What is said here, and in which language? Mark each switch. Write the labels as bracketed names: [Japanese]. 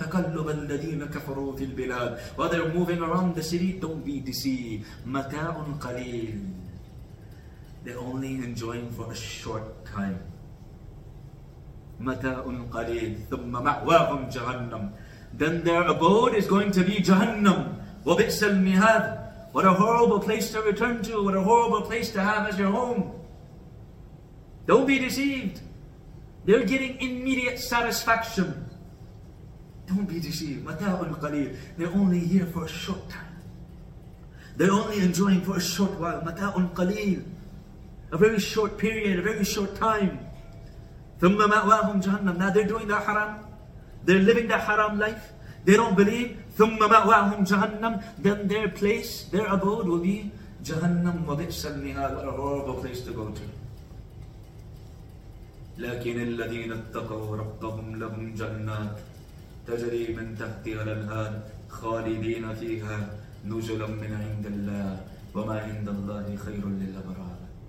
[Arabic] تقلب الذين كفروا في البلاد. [English] While they're moving around the city, don't be deceived. [Arabic] متاع قليل. [English] They're only enjoying for a short time. [Arabic] متاع قليل. ثم مأواهم جهنم. [English] Then their abode is going to be Jahannam. [Arabic] وبئس المهاد. [English] What a horrible place to return to. What a horrible place to have as your home. Don't be deceived. They're getting immediate satisfaction. Don't be deceived. [Arabic] Mata'un qaleel. [English] They're only here for a short time. They're only enjoying for a short while. [Arabic] Mata'un qaleel. [English] A very short period, a very short time. [Arabic] Thumma ma'wahum jahannam. [English] Now they're doing their haram. They're living their haram life. They don't believe. [Arabic] Thumma ma'wahum jahannam. [English] Then their place, their abode will be jahannam [Arabic] wa bi'sa al-mihad. [English] What a horrible place to go to. [Arabic] لكن الذين اتقوا ربهم لهم جنات تجري من تحتها الأنهار خالدين فيها نزلا من عند الله وما عند الله خير للأبرار.